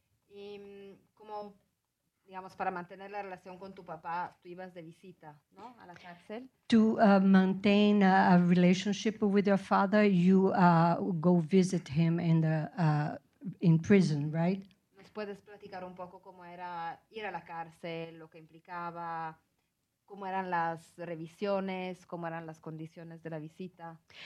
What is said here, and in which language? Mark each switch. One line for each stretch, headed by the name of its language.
Spanish: Y como, digamos, para mantener la relación con tu papá, tú ibas de visita, ¿no? A la cárcel.
English: To maintain a relationship with your father, you go visit him in the in prison, right?
Spanish: ¿Nos puedes platicar un poco cómo era ir a la cárcel, lo que implicaba, cómo eran las revisiones, cómo eran las condiciones de la visita?